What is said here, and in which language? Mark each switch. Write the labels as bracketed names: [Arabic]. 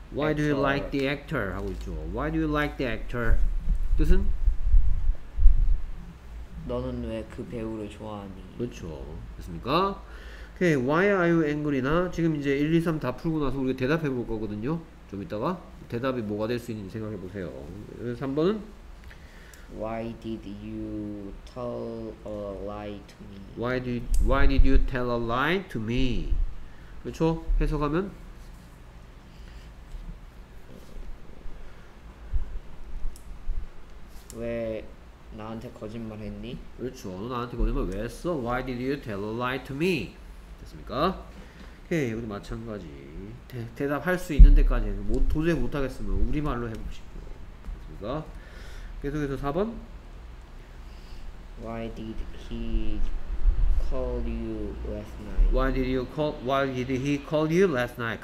[English] Why do you like the actor? [Korean] 하고 있죠. [English] Why do you like the actor? [Korean] 뜻은? 너는 왜 그 배우를 좋아하니? 그렇죠. 됐습니까? [English] Okay. Why are you angry나? [Korean] 지금 이제 1, 2, 3 다 풀고 나서 우리가 대답해 볼 거거든요. 좀 이따가 대답이 뭐가 될 수 있는지 생각해 보세요. 3번은? [English] Why did you tell a lie to me? Why did you tell a lie to me? [Korean] 그렇죠? 해석하면 왜 나한테 거짓말 했니? 그렇죠. 너 나한테 거짓말 왜 했어? [English] Why did you tell a lie to me? [Korean] 됐습니까? 오케이. 우리 마찬가지. 대답할 수 있는 데까지 도저히 못 하겠으면 우리 말로 해보십시오. 됐습니까? 계속해서 4번. [English] Why did he call you last night? Why did he call you last night?